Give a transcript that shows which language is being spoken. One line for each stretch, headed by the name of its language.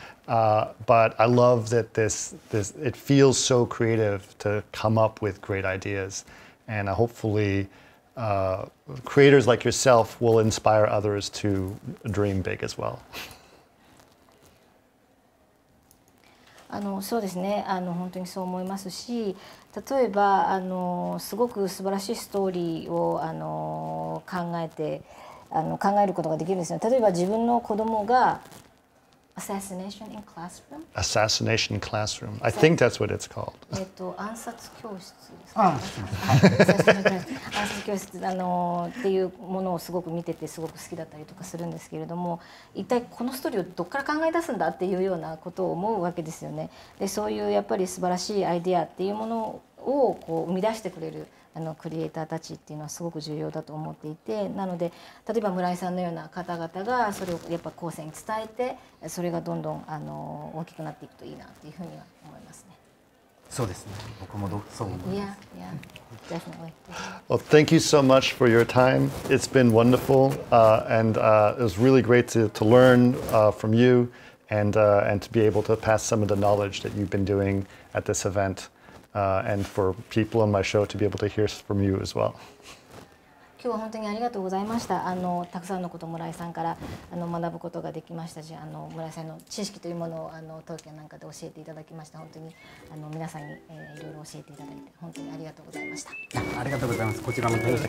English: But I love that this it feels so creative to come up with great ideas, and hopefully creators like yourself will inspire others to dream big as well.
Japanese: そうですね、本当にそう思いますし、例えばすごく素晴らしいストーリーを考えることができるんですよ。例えば自分の子供がAssassination in classroom?
English: Assassination classroom. I think that's what it's called.
Japanese: 暗殺教室ですか？暗殺教室っていうものをすごく見ててすごく好きだったりとかするんですけれども、一体このストーリーをどっから考え出すんだっていうようなことを思うわけですよね。で、そういうやっぱり素晴らしいアイデアっていうものをこう生み出してくれるクリエイターたちっていうのはすごく重要だと思っていて、なので例えば村井さんのような方々がそれをやっぱ後世に伝えて、それがどんどん大きくなっていくといいなっていうふうには思いますね。そうですね、僕もそう思います。
English: Yeah, yeah, definitely. Well, thank you so much for your time. It's been wonderful, and it was really great to learn from you, and to be able to pass some of the knowledge that you've been doing at this eventand for people on my show to be able to hear from you as well.
Japanese: 今日は本当にありがとうございました。たくさんのことを村井さんから学ぶことができましたし、村井さんの知識というものを東京なんかで教えていただきました。本当に皆さんに、いろいろ教えていただいて本当にありがとうございました。ありがとうございます。こちらも楽し